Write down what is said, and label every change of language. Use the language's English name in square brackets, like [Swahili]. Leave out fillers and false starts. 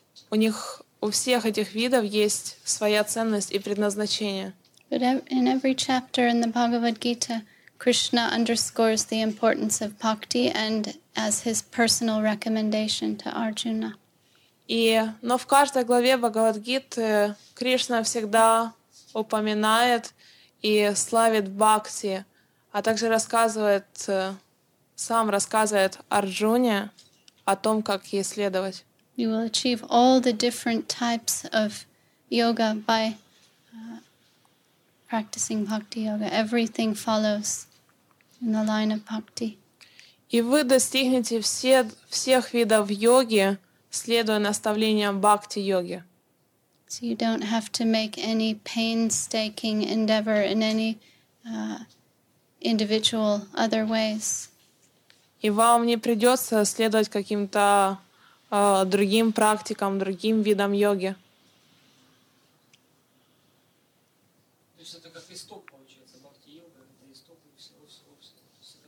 [Russian] У них, у всех этих видов есть своя ценность и предназначение. [English] But in every chapter in the Bhagavad-gita, Krishna underscores the importance of bhakti and as his personal recommendation to Arjuna. [Russian] Но в каждой главе Бхагавад-гиты Кришна всегда упоминает и славит бхакти, а также рассказывает Арджуне о том, как ей следовать. [English] You will achieve all the different types of yoga by practicing bhakti yoga. Everything follows in the line of bhakti. [Russian] И вы достигнете всех видов йоги, следуя наставлениям бхакти-йоги. [English] So you don't have to make any painstaking endeavor in any individual other ways. [Russian] И вам не придется следовать каким-то другим практикам, другим видам йоги. То есть это как исток, получается, бхакти-йога, это исток и